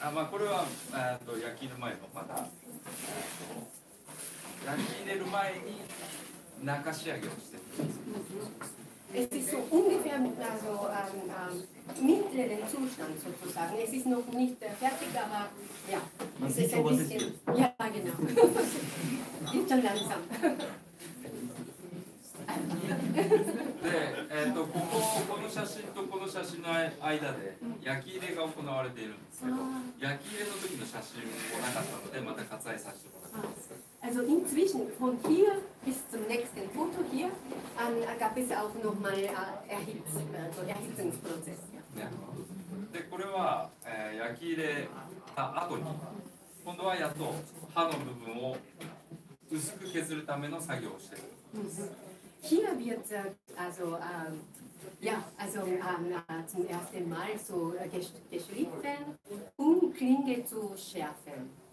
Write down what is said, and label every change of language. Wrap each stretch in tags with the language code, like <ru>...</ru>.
<ja>これは焼き入れ前のまた焼き入れる前に中仕上げをしてる。</ja> <de>Es ist so ungefähr also, mittleren Zustand sozusagen. Es ist noch nicht fertig, aber ja. Man es sieht ist ein schon, bisschen, was ist hier. Ja, genau. Geht schon langsam.</de> <ja>で、この写真とこの写真の間で焼き入れが行われているんですけど、焼き入れの時の写真もなかったので、また割愛させてもらいます。</ja> <de>Also inzwischen von hier bis zum nächsten Foto hier gab es auch noch mal Erhitzungsprozess.</de> <ja>で、これは焼き入れた後に、今度はやっと刃の部分を薄く削るための作業をしている。</ja> <de>Hier wird also, ja, also, zum ersten Mal so geschliffen, um Klinge zu schärfen.</de>